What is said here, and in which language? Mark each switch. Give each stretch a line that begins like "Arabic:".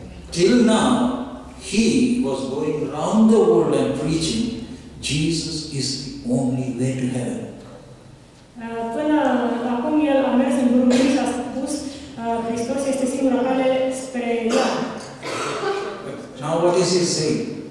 English: Till now, He was going around the world and preaching, Jesus is the only way to heaven.
Romanian: Până acum El a mers în drumul și a spus, Hristos este singura cale spre iad.
English: Now what is He saying?